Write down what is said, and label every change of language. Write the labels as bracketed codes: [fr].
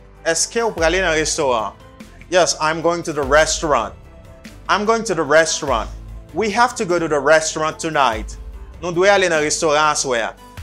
[fr] Est-ce que vous allez dans le restaurant? [en] Yes, I'm going to the restaurant. I'm going to the restaurant. We have to go to the restaurant tonight. [fr] Nous devons aller dans le restaurant ce soir.